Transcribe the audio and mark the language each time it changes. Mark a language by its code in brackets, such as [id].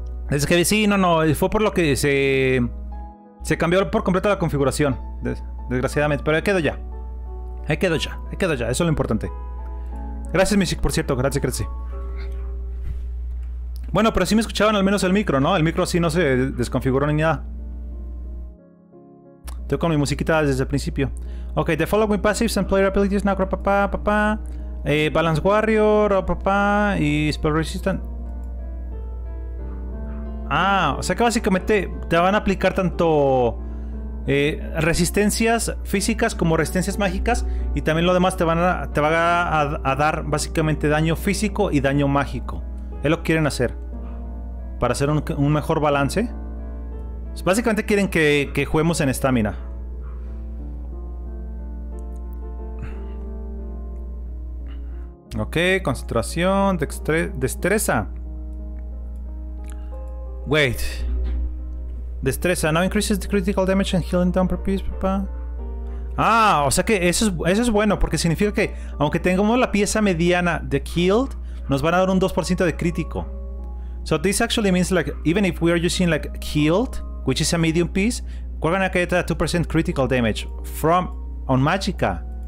[es] Es que sí, no, fue por lo que se cambió por completo la configuración, desgraciadamente. Pero ahí quedó ya, eso es lo importante. Gracias, Music, por cierto, gracias. Bueno, pero sí me escuchaban al menos el micro, ¿no? El micro así no se desconfiguró ni nada. Estoy con mi musiquita desde el principio. [en] Ok, the following passives and player abilities now, papá. [es] Balance Warrior, papá. Y Spell Resistant. Ah, o sea que básicamente te van a aplicar tanto resistencias físicas como resistencias mágicas. Y también lo demás te van a dar básicamente daño físico y daño mágico. Es lo que quieren hacer. para hacer un mejor balance. Básicamente quieren que juguemos en estamina. Ok, concentración, destreza. [en] Wait. Destreza, now increases the critical damage and healing down per piece, papá. [es] Ah, o sea que eso es bueno, porque significa que aunque tengamos la pieza mediana de healed, nos van a dar un 2% de crítico. [en] So this actually means like, even if we are using like healed, which is a medium piece, we're gonna get a 2% critical damage from on Magicka.